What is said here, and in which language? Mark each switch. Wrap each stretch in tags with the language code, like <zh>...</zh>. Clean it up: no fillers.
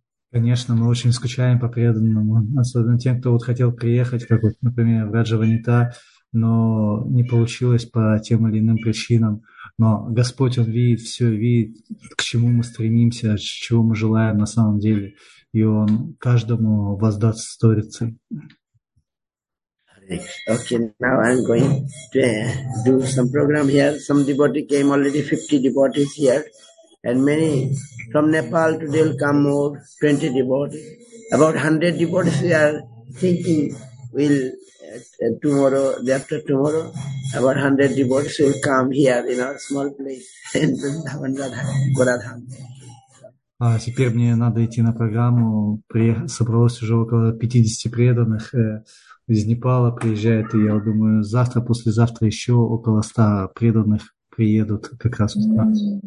<ru>Конечно, мы очень скучаем по преданному, особенно тем, кто вот хотел приехать, как вот, например, в Раджа Ванита, но не получилось по тем или иным причинам. Но Господь, Он видит все, видит, к чему мы стремимся, чего мы желаем на самом деле. И Он каждому воздаст сторицы.</ru> <en>Okay, now I'm going to do some program here. Some devotee came already, 50 devotees here. And many from Nepal today will come more, 20 devotees. About 100 devotees we are thinking will tomorrow, the after tomorrow, about 100 devotees will come here in our small place in Vrindavan Goradham.</en> <ru>А теперь мне надо идти на программу. Собралось уже около 50 преданных из Непала приезжает, и я думаю, завтра, послезавтра еще около 100 преданных приедут как раз в нас.</ru>